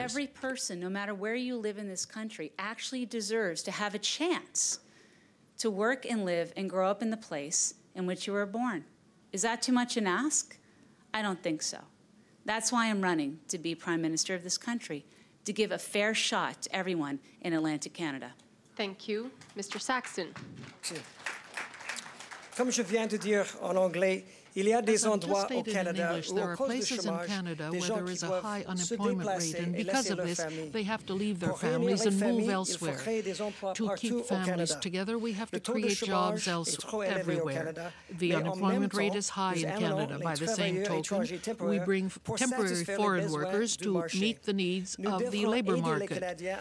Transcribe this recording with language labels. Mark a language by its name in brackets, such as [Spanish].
[English] Every person, no matter where you live in this country, actually deserves to have a chance to work and live and grow up in the place in which you were born. Is that too much an ask? I don't think so. That's why I'm running to be Prime Minister of this country, to give a fair shot to everyone in Atlantic Canada. Thank you. Mr. Saxton. [French] Comme je viens de dire en anglais, il y a des endroits au Canada où, à cause du chômage, des gens qui doivent se déplacer et laisser leur famille. [English] Because of this, they have to leave their families and move elsewhere. To keep families together, we have to create jobs everywhere. The unemployment rate is high in Canada. By the same token, we bring temporary foreign workers to meet the needs of the labor market.